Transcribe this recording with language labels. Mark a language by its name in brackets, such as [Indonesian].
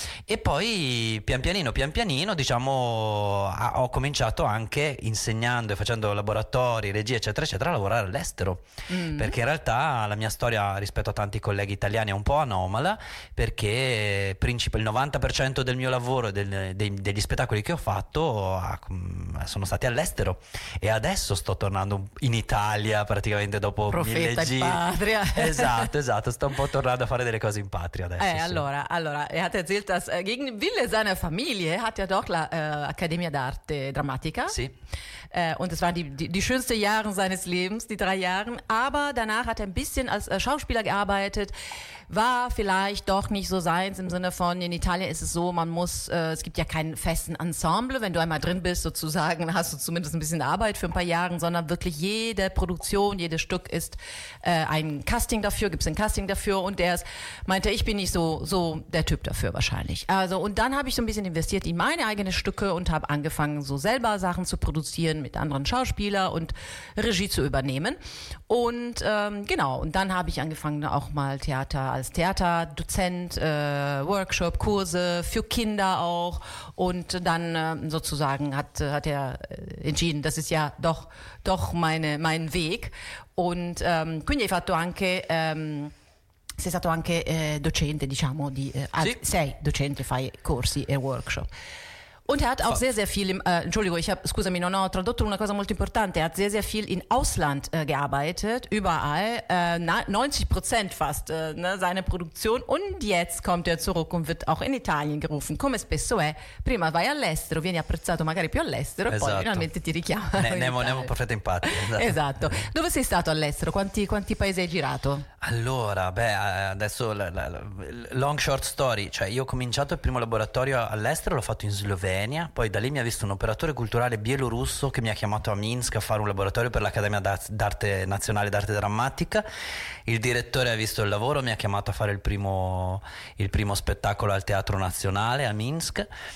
[Italian] E poi pian pianino diciamo ho cominciato anche insegnando e facendo laboratori, regia eccetera eccetera, a lavorare all'estero, perché in realtà la mia storia rispetto a tanti colleghi italiani un po' anomala, perché il 90% del mio lavoro e degli spettacoli che ho fatto sono stati all'estero, e adesso sto tornando in Italia praticamente dopo mille giri. Profeta in patria. Esatto, sto un po' tornando a fare delle cose in patria adesso. [German] Allora, er hat erzählt, dass gegen Wille seiner Familie hat er doch l'Accademia d'Arte Drammatica. [Italian] Sì. [German] Und es waren die schönsten Jahre seines Lebens, die drei Jahre, aber danach hat er ein bisschen als Schauspieler gearbeitet. War vielleicht doch nicht so seins, im Sinne von, in Italien ist es so, man muss, es gibt ja keinen festen Ensemble, wenn du einmal drin bist sozusagen, hast du zumindest ein bisschen Arbeit für ein paar Jahre, sondern wirklich jede Produktion, jedes Stück ist ein Casting dafür, gibt es ein Casting dafür, und der ist, meinte, ich bin nicht so der Typ dafür wahrscheinlich. Also, und dann habe ich so ein bisschen investiert in meine eigenen Stücke und habe angefangen, so selber Sachen zu produzieren mit anderen Schauspielern und Regie zu übernehmen. Und genau, und dann habe ich angefangen, auch mal Theater als Theaterdozent, Workshop, Kurse für Kinder auch. Und dann sozusagen hat er entschieden, das ist ja doch mein Weg. [Italian] Und quindi hai fatto anche, sei stato anche docente, diciamo, di, sì. Sei docente, fai corsi e workshop. [German] Und er hat auch sehr, sehr viel, [Italian] scusami, non ho tradotto una cosa molto importante, [German] er hat sehr, sehr viel in Ausland gearbeitet, überall, 90% fast, ne, seine Produktion, und jetzt kommt er zurück und wird auch in Italien gerufen, [Italian] come spesso è, prima vai all'estero, vieni apprezzato magari più all'estero, esatto. Poi finalmente ti richiama. Nemo perfetto in patria. Esatto. Esatto. Dove sei stato all'estero? Quanti paesi hai girato? Allora, adesso long short story, cioè io ho cominciato il primo laboratorio all'estero, l'ho fatto in Slovenia, poi da lì mi ha visto un operatore culturale bielorusso che mi ha chiamato a Minsk a fare un laboratorio per l'Accademia d'Arte Nazionale d'Arte Drammatica, il direttore ha visto il lavoro, mi ha chiamato a fare il primo spettacolo al Teatro Nazionale a Minsk.